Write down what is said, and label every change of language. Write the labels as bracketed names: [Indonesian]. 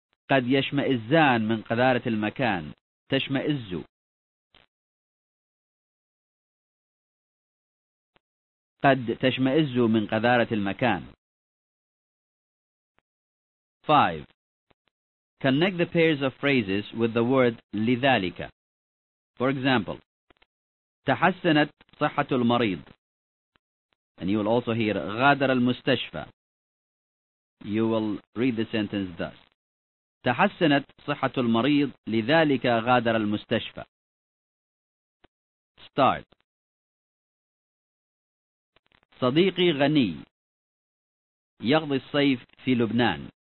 [Arabic] قد يشمئزان من قذارة المكان. تشمئزوا. قد تشمئزوا من قذارة المكان. 5. [English] Connect the pairs of phrases with the word لذلك. For example, [Arabic] تحسنت صحة المريض. [English] And you will also hear [Arabic] غادر المستشفى. [English] You will read the sentence thus. [Arabic] تحسنت صحة المريض لذلك غادر المستشفى. [English] Start. [Arabic] صديقي غني يقضي الصيف في لبنان.